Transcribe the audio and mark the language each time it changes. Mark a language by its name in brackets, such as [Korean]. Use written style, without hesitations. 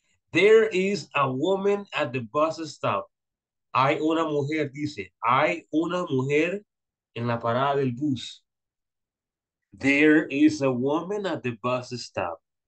[English] There is a woman at the bus stop. [Spanish] Hay una mujer, dice. Hay una mujer en la parada del bus. [English] There is a woman at the bus stop.